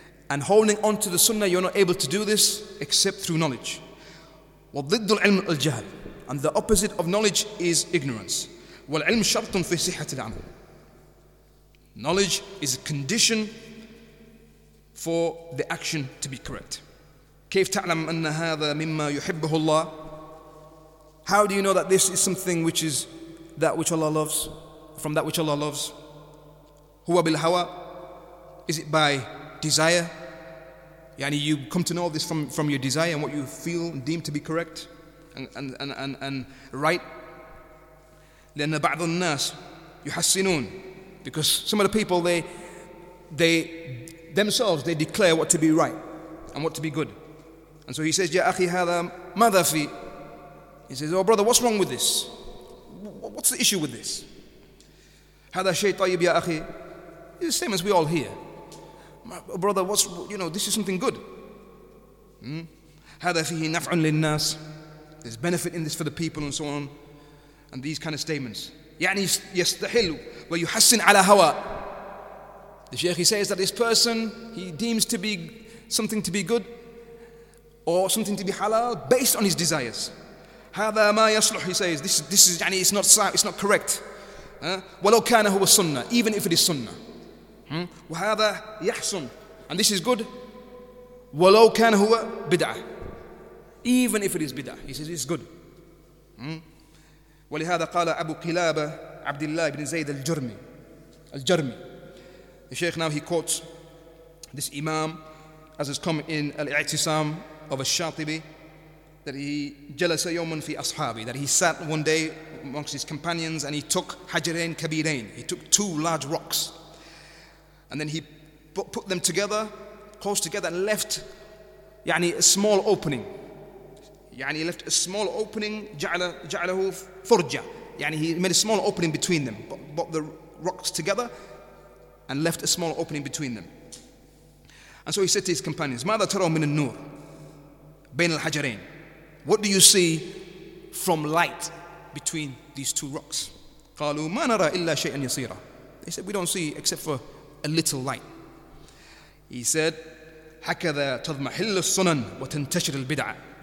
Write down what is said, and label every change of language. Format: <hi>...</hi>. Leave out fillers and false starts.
<en>And holding on to the sunnah, you're not able to do this except through knowledge.</en> <ar>وَضِدُّ الْعِلْمِ الْجَهْلِ.</ar> <en>And the opposite of knowledge is ignorance.</en> <ar>وَالْعِلْمِ شَرْطٌ فِي صِحَةِ الْعَمَلِ.</ar> <en>Knowledge is a condition for the action to be correct.</en> <ar>كيف تعلم أن هذا مما يحبه الله.</ar> <en>How do you know that this is something which is that which Allah loves, from that which Allah loves?</en> <ar>هو بالهوى.</ar> <en>Is it by desire? يعني you come to know this from your desire and what you feel and deem to be correct and right.</en> <ar>لأن بعض الناس يحسنون.</ar> <en>Because some of the people, they declare what to be right and what to be good. And so he says,</en> <ar>يا أخي هذا ماذا في.</ar> <en>He says, oh brother, what's wrong with this? What's the issue with this?</en> <ar>هذا شيء طيب يا أخي.</ar> <en>It's the same as we all hear. Oh brother, this is something good.</en> <ar>هذا فيه نفع للناس.</ar> <en>There's benefit in this for the people and so on. And these kind of statements.</en> <ar>يعني يستحل ويحسن على هوى.</ar> <en>The Shaykh, he says that this person, he deems to be something to be good or something to be halal based on his desires.</en> <ar>هذا ما يصلح,</ar> <en>he says. This is, يعني, it's not correct.</en> <ar>ولو كان هو السنة,</ar> <en>even if it is sunnah.</en> <ar>وهذا يحسن.</ar> <en>And this is good.</en> <ar>ولو كان هو بدعة.</ar> <en>Even if it is bid'ah, he says it's good.</en> <ar>ولهذا قال أبو قلابة عبد الله بن زيد الجرمي.</ar> <en>The Shaykh, now he quotes this Imam, as has come in Al-I'tisam of Al-Shatibi, that he</en> <ar>jalasa yawman fi ashabi,</ar> <en>that he sat one day amongst his companions and he took</en> <ar>hajarain kabirain,</ar> <en>he took two large rocks, and then he put them together, close together, and left يعني, a small opening. يعني, he left a small opening,</en> <ar>ja'alahu furja.</ar> <en>يعني, he made a small opening between them, brought the rocks together and left a small opening between them. And so he said to his companions,</en> <ar>ماذا ترى من النور بين الحجرين?</ar> <en>What do you see from light between these two rocks?</en> <ar>قالوا ما نرى إلا شيئا يصيرا.</ar> <en>They said, we don't see except for a little light. He said,</en> <ar>هكذا تضمحل السنن وتنتشر البدعة.</ar>